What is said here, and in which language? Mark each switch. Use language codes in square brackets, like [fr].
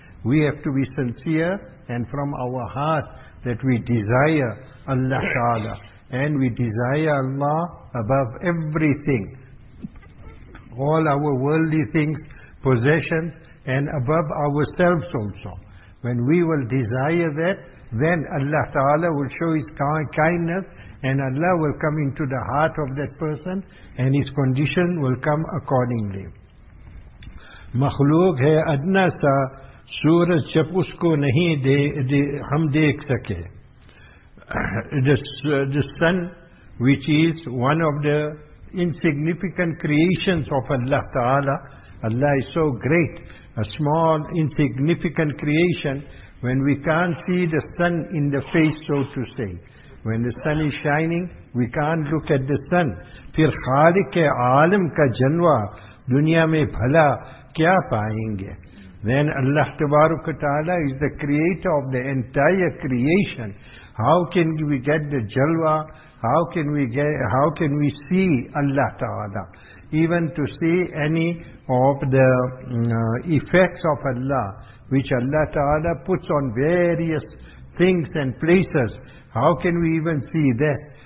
[en] We have to be sincere and from our heart that we desire Allah Ta'ala and we desire Allah above everything, all our worldly things, possessions, and above ourselves also. When we will desire that, then Allah Ta'ala will show his kindness and Allah will come into the heart of that person and his condition will come accordingly. [ur] مخلوق ہے ادنا سا سورج جب اس کو نہیں ہم دیکھ سکے. [en] The sun, which is one of the insignificant creations of Allah Ta'ala, Allah is so great, a small insignificant creation, when we can't see the sun in the face, so to say. When the sun is shining, we can't look at the sun. [ur] پھر خالق عالم کا جنوہ دنیا میں بھلا کیا پائیں گے. [en] Then Allah تبارک تعالیٰ is the creator of the entire creation. How can we get the jalwa? How can we see Allah تعالیٰ? Even to see any of the effects of Allah, which Allah تعالیٰ puts on various things and places, how can we even see that?